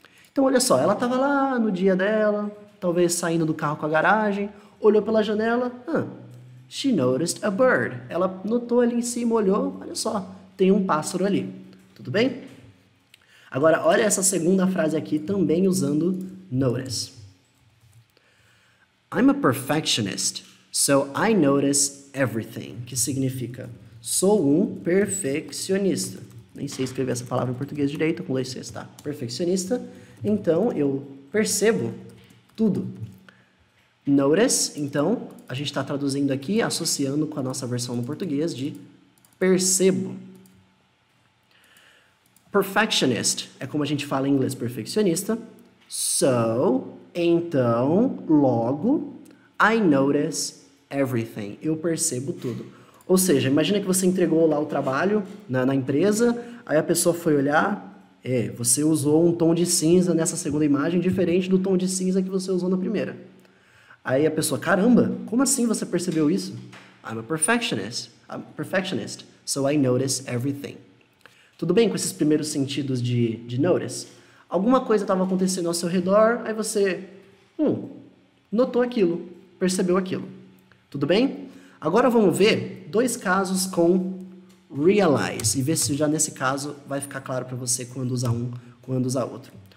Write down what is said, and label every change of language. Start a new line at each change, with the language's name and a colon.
Portuguese: Então, olha só, ela estava lá no dia dela, talvez saindo do carro com a garagem, olhou pela janela.
English: She noticed a bird.
Portuguese: Ela notou ali em cima, olhou, olha só, tem um pássaro ali. Tudo bem? Agora, olha essa segunda frase aqui, também usando notice.
English: I'm a perfectionist, so I notice everything.
Portuguese: Que significa: sou um perfeccionista. Nem sei escrever essa palavra em português direito, com licença, tá? Perfeccionista. Então, eu percebo tudo. Notice, então, a gente está traduzindo aqui, associando com a nossa versão no português de percebo. Perfectionist é como a gente fala em inglês, perfeccionista. So, então, logo,
English: I notice everything.
Portuguese: Eu percebo tudo. Ou seja, imagina que você entregou lá o trabalho na empresa, aí a pessoa foi olhar. É, você usou um tom de cinza nessa segunda imagem, diferente do tom de cinza que você usou na primeira. Aí a pessoa, caramba, como assim você percebeu isso?
English: I'm a perfectionist, so I notice everything.
Portuguese: Tudo bem com esses primeiros sentidos de notice? Alguma coisa estava acontecendo ao seu redor, aí você, notou aquilo, percebeu aquilo. Tudo bem? Agora vamos ver dois casos com realize e ver se já nesse caso vai ficar claro para você quando usar um, quando usar outro.